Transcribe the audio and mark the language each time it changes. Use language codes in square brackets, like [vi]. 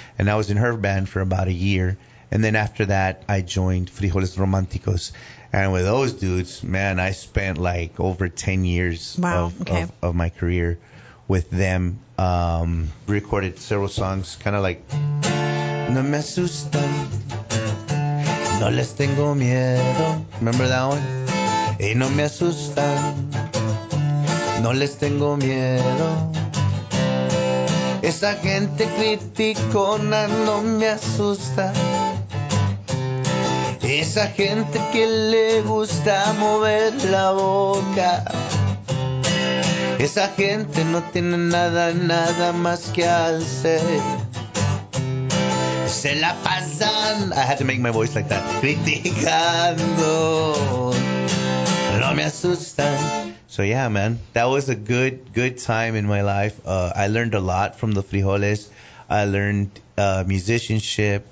[en] And I was in her band for about a year. And then after that, I joined Frijoles Románticos. And with those dudes, man, I spent like over 10 years of my career with them. Recorded several songs, kind of like... [es] No me asustan, no les tengo miedo. [en] Remember that one? [es] Y no me asustan, no les tengo miedo. Esa gente criticona no me asusta. Esa gente que le gusta mover la boca. Esa gente no tiene nada, nada más que hacer. Se la pasan. [en] I had to make my voice like that. [es] Criticando. No me asustan. [en] So yeah, man. That was a good time in my life. I learned a lot from the Frijoles. I learned musicianship.